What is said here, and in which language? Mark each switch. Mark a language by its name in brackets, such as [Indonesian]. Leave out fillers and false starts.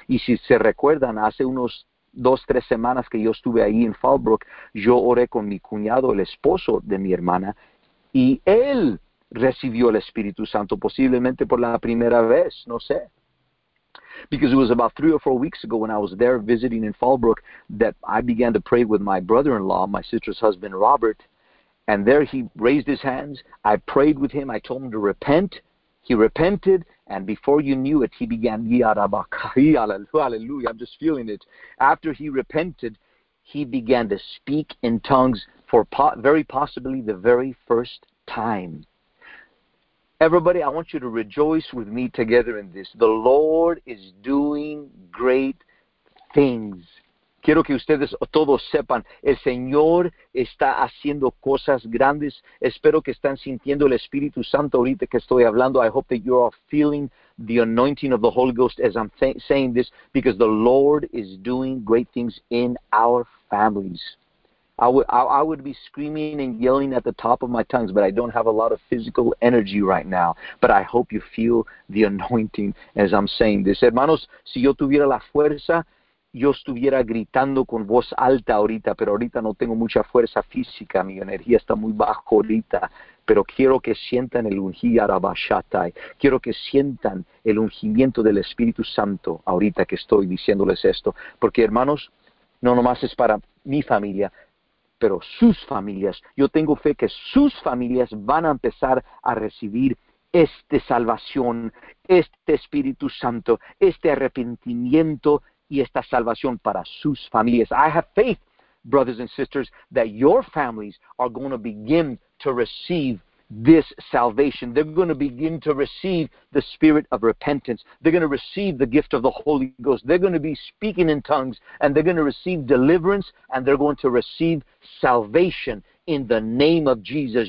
[Spanish] Y si se recuerdan, hace unos 2-3 semanas que yo estuve ahí en Fallbrook, yo oré con mi cuñado, el esposo de mi hermana, y él recibió el Espíritu Santo, posiblemente por la primera vez, no sé. [English] Because it was about 3 or 4 weeks ago when I was there visiting in Fallbrook that I began to pray with my brother-in-law, my sister's husband, Robert, and there he raised his hands. I prayed with him. I told him to repent. He repented, and before you knew it, he began, hallelujah, I'm just feeling it. After he repented, he began to speak in tongues for very possibly the very first time. Everybody, I want you to rejoice with me together in this. The Lord is doing great things. [Spanish] Quiero que ustedes todos sepan, el Señor está haciendo cosas grandes. Espero que están sintiendo el Espíritu Santo ahorita que estoy hablando. [English] I hope that you are feeling the anointing of the Holy Ghost as I'm saying this, because the Lord is doing great things in our families. I would be screaming and yelling at the top of my tongues, but I don't have a lot of physical energy right now. But I hope you feel the anointing as I'm saying this. [Spanish] Hermanos, si yo tuviera la fuerza, yo estuviera gritando con voz alta ahorita, pero ahorita no tengo mucha fuerza física, mi energía está muy baja ahorita. Pero quiero que sientan el ungiarabashatai, quiero que sientan el ungimiento del Espíritu Santo ahorita que estoy diciéndoles esto. Porque hermanos, no nomás es para mi familia, pero sus familias. Yo tengo fe que sus familias van a empezar a recibir esta salvación, este Espíritu Santo, este arrepentimiento y esta salvación para sus familias. [English] I have faith, brothers and sisters, that your families are going to begin to receive this salvation. They're going to begin to receive the spirit of repentance. They're going to receive the gift of the Holy Ghost. They're going to be speaking in tongues, and they're going to receive deliverance, and they're going to receive salvation in the name of Jesus.